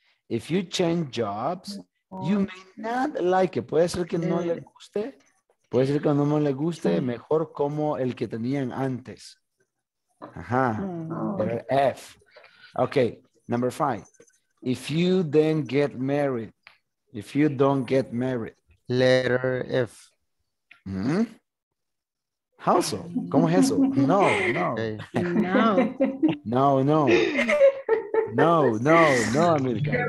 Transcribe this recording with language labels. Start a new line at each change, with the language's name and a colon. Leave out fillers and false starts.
English: If you change jobs, you may not like it.
Spanish: Puede ser que no le guste. Puede ser que no le guste mejor como el que tenían antes. Ajá. Pero F.
English: Okay, number five. If you then get married, if you don't get married. Letter F.
Spanish: Mm-hmm.
English: How so?
Spanish: ¿Cómo es eso? No, no. No. No, no. No, no, no, America.